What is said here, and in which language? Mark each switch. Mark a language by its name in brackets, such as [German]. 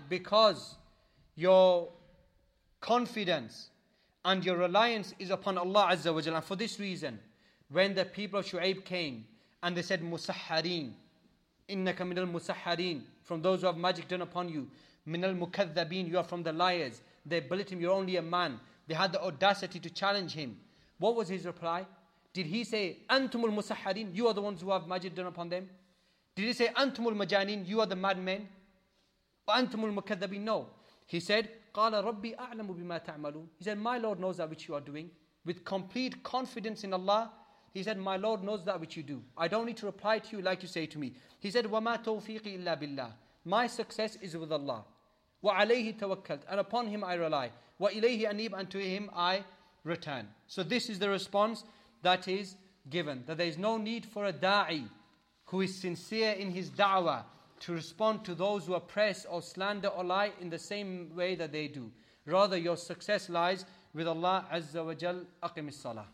[English] Because your confidence and your reliance is upon Allah Azza wa Jalla. And for this reason, when the people of Shu'aib came and they said, [Arabic] Musahhareen, innaka minal musahhareen, [English] from those who have magic done upon you, [Arabic] minal mukathabeen, [English] you are from the liars. They bullet him, you're only a man. They had the audacity to challenge him. What was his reply? Did he say, [Arabic] Antumul musahhareen, [English] you are the ones who have magic done upon them? Did he say, [Arabic] Antumul majaneen, [English] you are the madmen? [Arabic] Antumul mukathabeen? No. [English] He said, [Arabic] قَالَ رَبِّي أَعْلَمُ بِمَا تَعْمَلُونَ. [English] He said, my Lord knows that which you are doing. With complete confidence in Allah, he said, my Lord knows that which you do. I don't need to reply to you like you say to me. He said, [Arabic] وَمَا تَوْفِيقِ إِلَّا بِاللَّهِ. [English] My success is with Allah. [Arabic] وَعَلَيْهِ تَوَكَّلْتُ. [English] And upon him I rely. [Arabic] وَإِلَيْهِ أَنِيبُ. [English] And to him I return. So this is the response that is given. That there is no need for a da'i who is sincere in his da'wah to respond to those who oppress or slander or lie in the same way that they do. Rather, your success lies with Allah Azza wa Jal. [Arabic] Aqim as-salah.